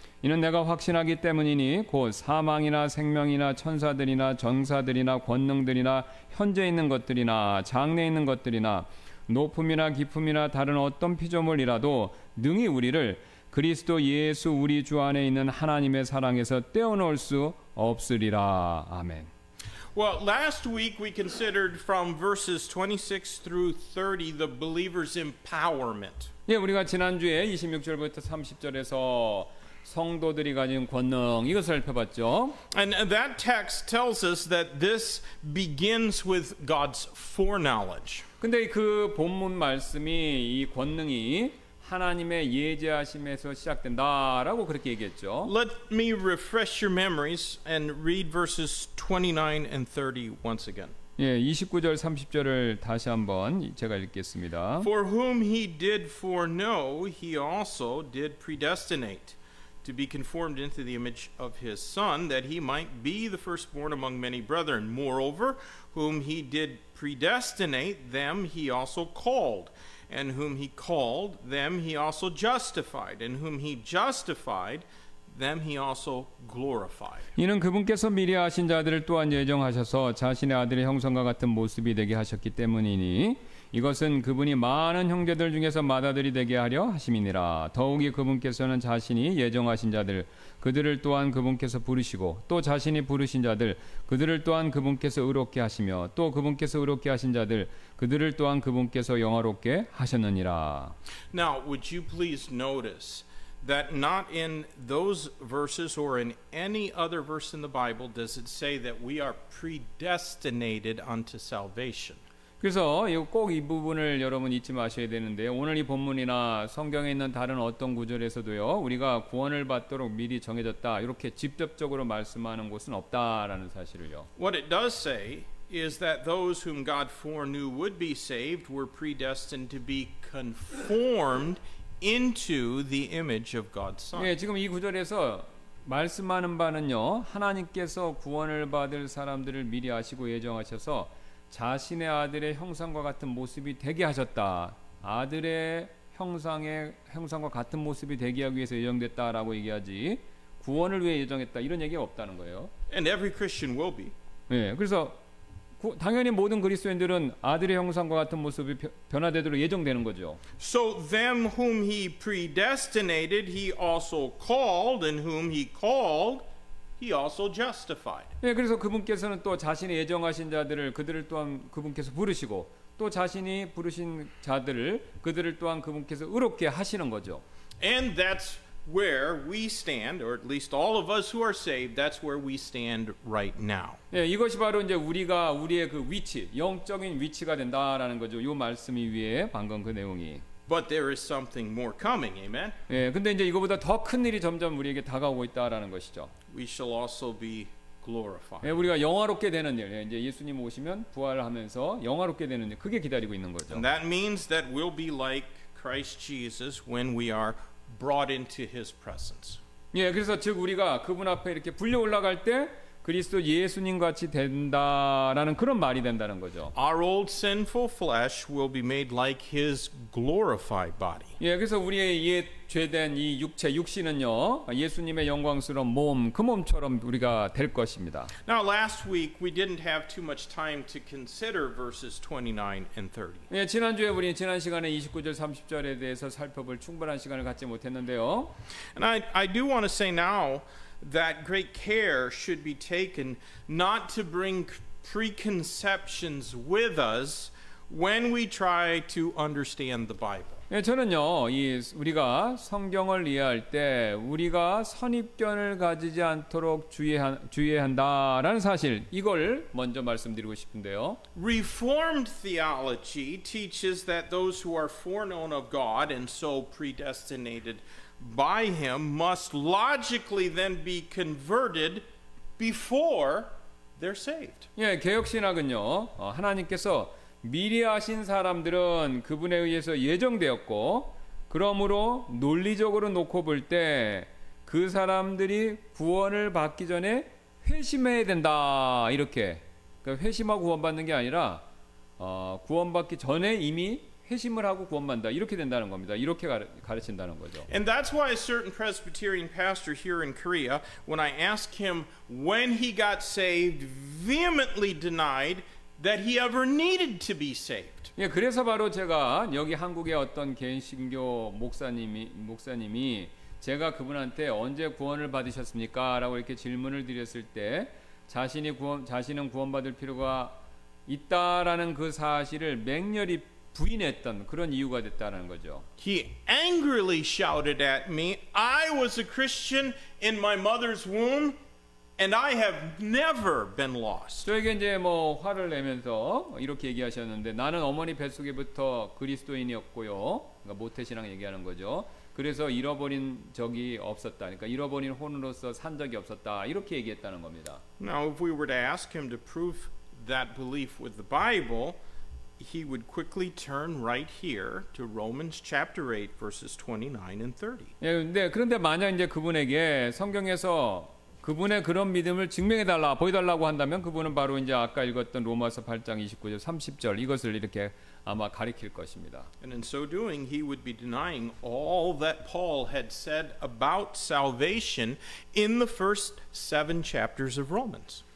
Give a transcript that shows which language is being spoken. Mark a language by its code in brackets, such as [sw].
[ko] 이는 내가 확신하기 때문이니 곧 사망이나 생명이나 천사들이나 정사들이나 권능들이나 현재 있는 것들이나 장래 있는 것들이나 높음이나 깊음이나 다른 어떤 피조물이라도 능히 우리를 그리스도 예수 우리 주 안에 있는 하나님의 사랑에서 떼어놓을 수 없으리라. 아멘. [en] Well, last week we considered from verses 26 through 30 the believer's empowerment. [ko] 예, 우리가 지난주에 26절부터 30절에서 성도들이 가진 권능 이것을 살펴봤죠. [en] And that text tells us that this begins with God's foreknowledge. [ko] 근데 그 본문 말씀이 이 권능이 하나님의 예지하심에서 시작된다라고 그렇게 얘기했죠. [en] Let me refresh your memories and read verses 29 and 30 once again. [ko] 예, 29절 30절을 다시 한번 제가 읽겠습니다. [en] For whom he did foreknow, he also did predestinate to be conformed into the image of his son, that he might be the firstborn among many brethren. Moreover, whom he did predestinate, them he also called. And whom he called, them he also justified. And whom he justified, them he also glorified. [ko] 이는 그분께서 미리 아신 자들을 또한 예정하셔서 자신의 아들의 형상과 같은 모습이 되게 하셨기 때문이니 이것은 그분이 많은 형제들 중에서 맏아들이 되게 하려 하심이니라. 더욱이 그분께서는 자신이 예정하신 자들 그들을 또한 그분께서 부르시고 또 자신이 부르신 자들 그들을 또한 그분께서 의롭게 하시며 또 그분께서 의롭게 하신 자들 그들을 또한 그분께서 영화롭게 하셨느니라. [en] Now, would you please notice that not in those verses or in any other verse in the Bible does it say that we are predestinated unto salvation? [ko] 그래서 꼭 이 부분을 여러분 잊지 마셔야 되는데요. 오늘 이 본문이나 성경에 있는 다른 어떤 구절에서도요. 우리가 구원을 받도록 미리 정해졌다. 이렇게 직접적으로 말씀하는 곳은 없다라는 사실을요. [en] What it does say is that those whom God foreknew would be saved were predestined to be conformed into the image of God's Son. [ko] 예, 지금 이 구절에서 말씀하는 바는요. 하나님께서 구원을 받을 사람들을 미리 아시고 예정하셔서 자신의 아들의 형상과 같은 모습이 되게 하셨다. 아들의 형상과 같은 모습이 되게 하기 위해서 예정됐다라고 얘기하지 구원을 위해 예정했다 이런 얘기가 없다는 거예요. [en] And every Christian will be. [ko] 예, 그래서 당연히 모든 그리스도인들은 아들의 형상과 같은 모습이 변화되도록 예정되는 거죠. [en] So them whom he predestinated, he also called, and whom he called, he also justified. [ko] 예, 그래서 그분께서는 또 자신이 예정하신 자들을 그들을 또한 그분께서 부르시고 또 자신이 부르신 자들을 그들을 또한 그분께서 의롭게 하시는 거죠. [en] And that's where we stand, or at least all of us who are saved, that's where we stand right now. [ko] 예, 이것이 바로 이제 우리가 우리의 그 위치, 영적인 위치가 된다라는 거죠. 요 말씀이 위에 방금 그 내용이. [en] But there is something more coming, amen. [ko] 예, 근데 이제 이거보다 더 큰 일이 점점 우리에게 다가오고 있다라는 것이죠. [en] We shall also be glorified. [ko] 예, 우리가 영화롭게 되는 일, 예, 이제 예수님 오시면 부활하면서 영화롭게 되는 일, 그게 기다리고 있는 거죠. [en] And that means that we'll be like Christ Jesus when we are brought into His presence. [ko] 예, 그래서 즉 우리가 그분 앞에 이렇게 불려 올라갈 때 그리스도 예수님 같이 된다라는 그런 말이 된다는 거죠. [en] Our old sinful flesh will be made like His glorified body. [ko] 예, 그래서 우리의 옛 죄된 이 육체 육신은요, 예수님의 영광스러운 몸 그 몸처럼 우리가 될 것입니다. [en] Now last week we didn't have too much time to consider verses 29 and 30. [ko] 예, 지난주에 우리 지난 시간에 29절 30절에 대해서 살펴볼 충분한 시간을 갖지 못했는데요. [en] And I do want to say now that great care should be taken not to bring preconceptions with us when we try to understand the Bible. [ko] 예, 저는요, 이 우리가 성경을 이해할 때 우리가 선입견을 가지지 않도록 주의해야 한다라는 사실 이걸 먼저 말씀드리고 싶은데요. [en] Reformed theology teaches that those who are foreknown of God and so predestinated by him must logically then be converted before they're saved. [ko] 예, 개혁 신학은요. 하나님께서 미리 아신 사람들은 그분에 의해서 예정되었고 그러므로 논리적으로 놓고 볼 때 그 사람들이 구원을 받기 전에 회심해야 된다. 이렇게. 그러니까 회심하고 구원받는 게 아니라 구원받기 전에 이미 회심을 하고 구원받는다 이렇게 된다는 겁니다. 이렇게 가르친다는 거죠. [en] And that's why a certain Presbyterian pastor here in Korea, when I asked him when he got saved, vehemently denied that he ever needed to be saved. [ko] 예, 그래서 바로 제가 여기 한국의 어떤 개신교 목사님이 제가 그분한테 언제 구원을 받으셨습니까라고 이렇게 질문을 드렸을 때 자신은 구원받을 필요가 있다라는 그 사실을 맹렬히 부인했던 그런 이유가 됐다는 거죠. [en] He angrily shouted at me. I was a Christian in my mother's womb and I have never been lost. [ko] 저에게 이제 뭐 화를 내면서 이렇게 얘기하셨는데 나는 어머니 뱃속에부터 그리스도인이었고요. 그러니까 모태신앙 얘기하는 거죠. 그래서 잃어버린 적이 없었다. 그러니까 잃어버린 혼으로서 산 적이 없었다. 이렇게 얘기했다는 겁니다. [en] Now if we were to ask him to prove that belief with the Bible, he would quickly turn right here to Romans chapter 8 verses 29 and 30. [ko] 예, 네, 그런데 만약 이제 그분에게 성경에서 그분의 그런 믿음을 증명해 달라, 보여 달라고 한다면 그분은 바로 이제 아까 읽었던 로마서 8장 29절 30절 이것을 이렇게 아마 가리킬 것입니다. [en] And in so doing he would be denying all that Paul had said about salvation in the first seven chapters of Romans.